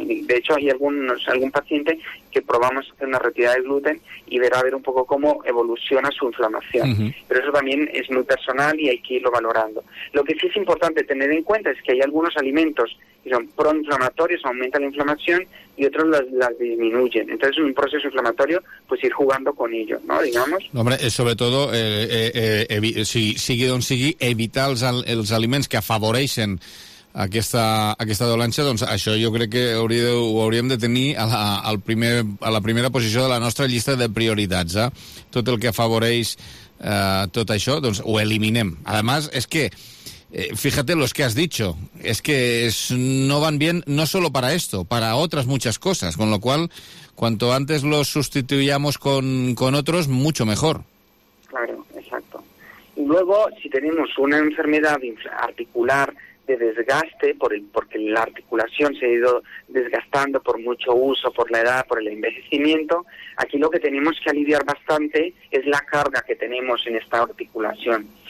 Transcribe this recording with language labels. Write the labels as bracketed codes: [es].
[es] De hecho, hay algún paciente que probamos hacer una retirada de gluten y verá a ver un poco cómo evoluciona su inflamación. Uh-huh. Pero eso también es muy personal y hay que irlo valorando. Lo que sí es importante tener en cuenta es que hay algunos alimentos que son proinflamatorios, aumentan la inflamación, y otros las disminuyen. Entonces, un proceso inflamatorio, pues ir jugando con ello, ¿no? Digamos. [ca] Hombre, sobre todo, sigui, evitar els aliments que afavoreixen aquesta dolència, doncs això jo crec que ho hauríem de tenir a la primera posició de la nostra llista de prioritats, eh? Tot el que afavoreix tot això, doncs ho eliminem. [es] Además, [ca] és que, [es] fíjate los que has dicho, és que no van bien no solo para esto, para otras muchas cosas, con lo cual, cuanto antes lo sustituyamos con otros, mucho mejor. Claro, exacto. Y luego, si tenemos una enfermedad articular de desgaste, porque la articulación se ha ido desgastando por mucho uso, por la edad, por el envejecimiento, aquí lo que tenemos que aliviar bastante es la carga que tenemos en esta articulación.